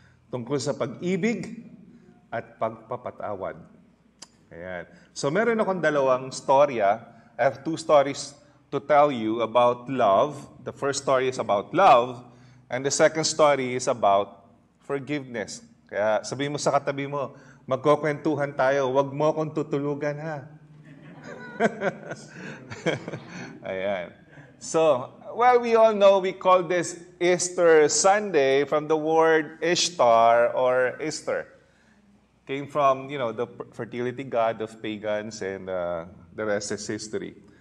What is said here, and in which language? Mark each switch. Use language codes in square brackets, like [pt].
[tl] Tungkol sa pag-ibig at pagpapatawad. Ayan. So meron akong dalawang storya. [en] I have two stories to tell you about love. The first story is about love, and the second story is about forgiveness. [tl] Kaya sabihin mo sa katabi mo, magkukwentuhan tayo, huwag mo akong tutulugan, ha? Ayan. [en] So, well, we all know we call this Easter Sunday from the word Ishtar or Easter. Came from, you know, the fertility god of pagans, and the rest is history.